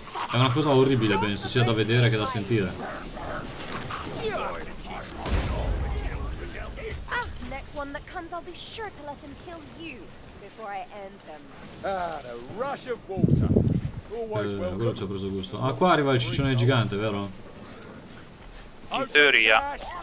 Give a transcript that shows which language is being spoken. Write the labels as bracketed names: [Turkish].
[Italian] È una cosa orribile, penso, sia da vedere che da sentire. [English] Next one that comes, I'll be sure to let him kill you before I end them. Ah, a rush of water. [Italian] Quello ci ha preso gusto. Ah, qua arriva il ciccione gigante, vero? In teoria.